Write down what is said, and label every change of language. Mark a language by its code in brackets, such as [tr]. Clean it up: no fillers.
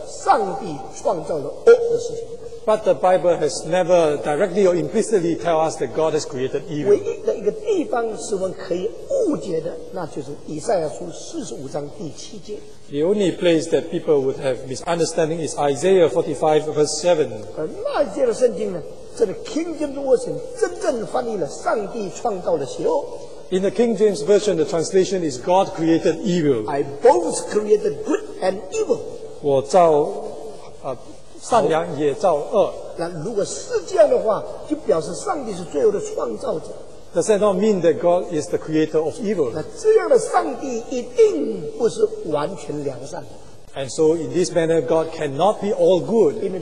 [zh] 但是圣经从来没有给我们看见有任何的启示提到或者影射到上帝创造了恶的事情。 [en] But the Bible has never directly or implicitly tell us that God has created evil. [zh] 唯一的一个地方是我们可以误解的，那就是以赛亚书45章第7节。 [en] The only place that people would have misunderstanding is Isaiah 45 verse 7. [zh] 而那节的圣经呢，这个 King James Version 真正翻译了上帝创造了邪恶。 [en] In the King James Version, the translation is God created evil. I both created good and evil. [zh] 我造 善良也造恶. 那如果是这样的话, 就表示上帝是罪恶的创造者。 [en] Does that not mean that God is the creator of evil? [zh] 那这样的上帝一定不是完全良善的。 [en] And so in this manner, God cannot be all good.